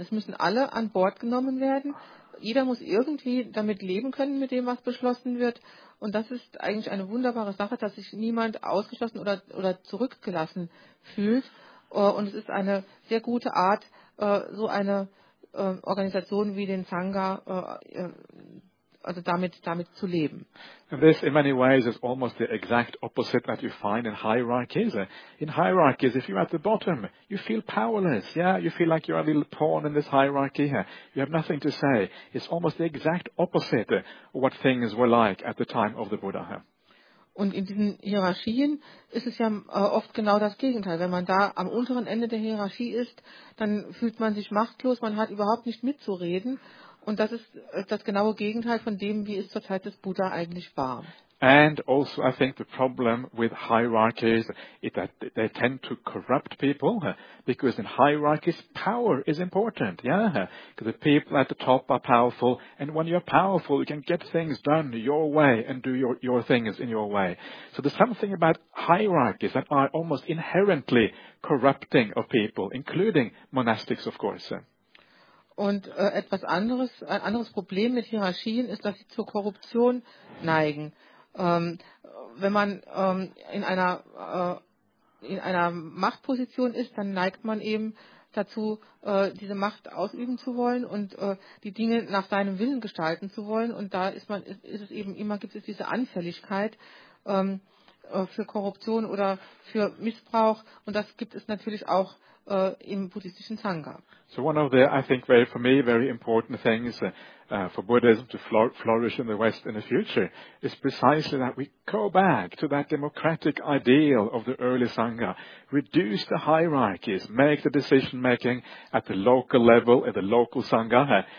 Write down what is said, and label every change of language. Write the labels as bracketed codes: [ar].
[de] Es müssen alle an Bord genommen werden. Jeder muss irgendwie damit leben können, mit dem, was beschlossen wird. Und das ist eigentlich eine wunderbare Sache, dass sich niemand ausgeschlossen oder zurückgelassen fühlt. Und es ist eine sehr gute Art, so eine Organisation wie den Sangha, also damit zu leben. [en] And this, in many ways, is almost the exact opposite that you find in hierarchies. In hierarchies, if you're at the bottom, you feel powerless. Yeah, you feel like you're a little pawn in this hierarchy. You have nothing to say. It's almost the exact opposite of what things were like at the time of the Buddha. [de] Und in diesen Hierarchien ist es ja oft genau das Gegenteil. Wenn man da am unteren Ende der Hierarchie ist, dann fühlt man sich machtlos, man hat überhaupt nicht mitzureden. Und das ist das genaue Gegenteil von dem, wie es zur Zeit des Buddha eigentlich war. [en] And also I think the problem with hierarchies is that they tend to corrupt people, because in hierarchies power is important, yeah? Because the people at the top are powerful, and when you're powerful you can get things done your way and do your things in your way. So there's something about hierarchies that are almost inherently corrupting of people, including monastics of course. [de] Und ein anderes Problem mit Hierarchien ist, dass sie zur Korruption neigen. Wenn man in einer Machtposition ist, dann neigt man eben dazu, diese Macht ausüben zu wollen und die Dinge nach seinem Willen gestalten zu wollen. Und da gibt es diese Anfälligkeit für Korruption oder für Missbrauch. Und das gibt es natürlich auch im buddhistischen Sangha. [en] So one of the, I think, very, for me, very important things for Buddhism to flourish in the West in the future is precisely that we go back to that democratic ideal of the early Sangha, reduce the hierarchies, make the decision making at the local level, at the local Sangha.